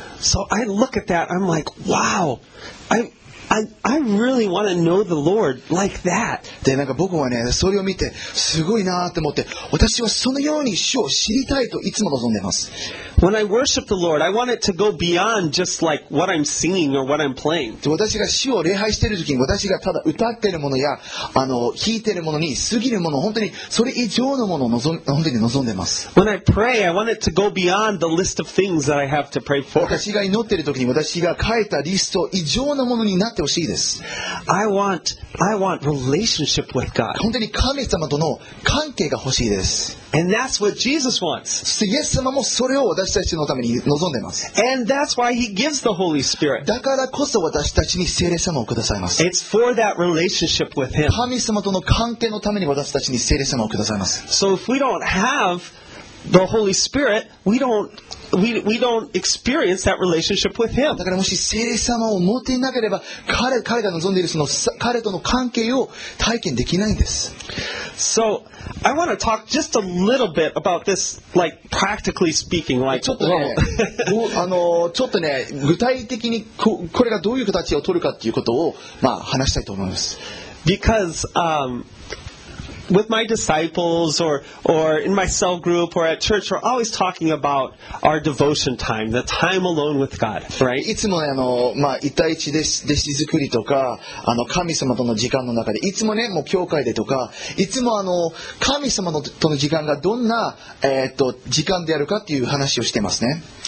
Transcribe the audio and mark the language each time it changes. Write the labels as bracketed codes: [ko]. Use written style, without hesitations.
[en] So I look at that, I'm like, wow! I really want to know the Lord like that. [ja] で、なんか僕はね、それを見てすごいなって思って、私はそのように主を知りたいといつも望んでます。 [en] When I worship the Lord, I want it to go beyond just like what I'm singing or what I'm playing. [ja] で、私が主を礼拝している時に、私がただ歌っているものや弾いているものに過ぎるもの、本当にそれ以上のものを本当に望んでます。 [en] When I pray, I want it to go beyond the list of things that I have to pray for. [ja] 私が祈っている時に、私が書いたリスト以上のものになってほしいです。 [en] I want relationship with God. [ja] 本当に神様との関係が欲しいです。 [en] And that's what Jesus wants. [ja] そしてイエス様もそれを私たちのために望んでます。 [en] And that's why he gives the Holy Spirit. [ja] だからこそ私たちに聖霊様をくださいます。 [en] It's for that relationship with him. [ja] 神様との関係のために私たちに聖霊様をくださいます。 [en] So if we don't have the Holy Spirit, we don't we don't experience that relationship with him. [ja] だからもし聖霊様を持っていなければ、彼が望んでいるその彼との関係を体験できないんです。 [en] So, I want to talk just a little bit about this, like, practically speaking, like, [ja] ちょっとね、ちょっとね、具体的にこれがどういう形を取るかっていうことを、まあ、話したいと思います。 [en] Because, with my disciples or in my cell group or at church, we're always talking about our devotion time, the time alone with God, right? [ja] いつもね、まあ、一対一で弟子作りとか、神様との時間の中で、いつもね、もう教会でとか、いつも神様のとの時間がどんな、時間であるかっていう話をしてますね。